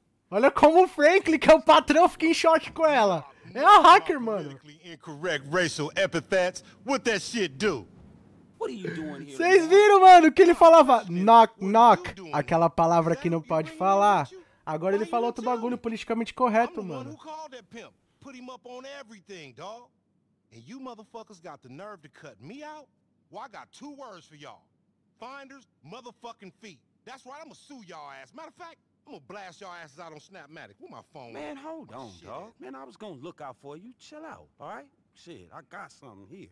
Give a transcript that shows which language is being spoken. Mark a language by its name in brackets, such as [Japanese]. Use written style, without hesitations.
[Portuguese] Olha como o Franklin, que é o patrão, fica em choque com ela. É a hacker, mano. [English] Politically incorrect racial epithets. What that shit do? What are you doing here? [Portuguese] Vocês viram, mano, que ele falava [English] knock knock, [Portuguese] aquela palavra que não pode falar. Agora ele falou outro bagulho politicamente correto, mano. [English] Put him up on everything, dog. And you motherfuckers got the nerve to cut me out? Well, I got two words for y'all. Finders, motherfucking feet. That's right, I'm gonna sue y'all ass. Matter of fact, I'm gonna blast y'all asses out on Snapmatic. With my phone? Man, hold on, dog. Man, I was gonna look out for you. Chill out, all right? Shit, I got something here.